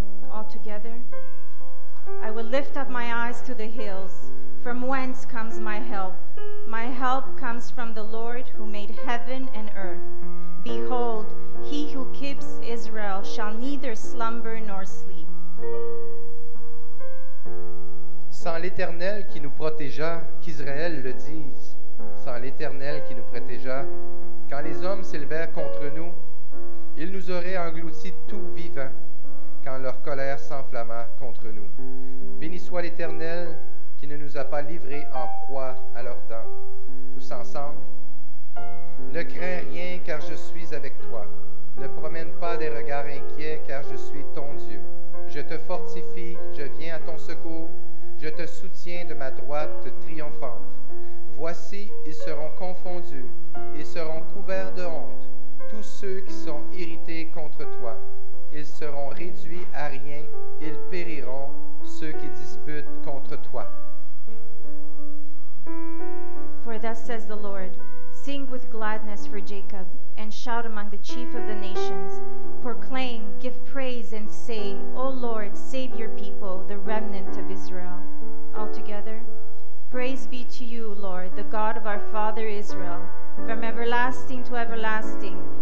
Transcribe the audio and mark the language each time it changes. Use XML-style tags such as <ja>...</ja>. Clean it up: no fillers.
<en>Altogether, I will lift up my eyes to the hills. From whence comes my help? My help comes from the Lord who made heaven and earth. Behold, he who keeps Israel shall neither slumber nor sleep.</en> <fr>Sans l'Éternel qui nous protégea, qu'Israël le dise. Sans l'Éternel qui nous protégea, quand les hommes s'élevèrent contre nous, ils nous auraient engloutis tout vivants, quand leur colère s'enflamma contre nous. Béni soit l'Éternel qui ne nous a pas livrés en proie à leurs dents. Tous ensemble, ne crains rien car je suis avec toi. Ne promène pas des regards inquiets car je suis ton Dieu. Je te fortifie, je viens à ton secours, je te soutiens de ma droite triomphante. Voici, ils seront confondus, ils seront couverts de honte, tous ceux qui sont irrités contre toi. Ils seront réduits à rien, ils périront, ceux qui disputent contre toi.</fr> <en>For thus says the Lord, sing with gladness for Jacob, and shout among the chief of the nations. Proclaim, give praise, and say, O Lord, save your people, the remnant of Israel. Altogether, praise be to you, Lord, the God of our father Israel, from everlasting to everlasting.</en>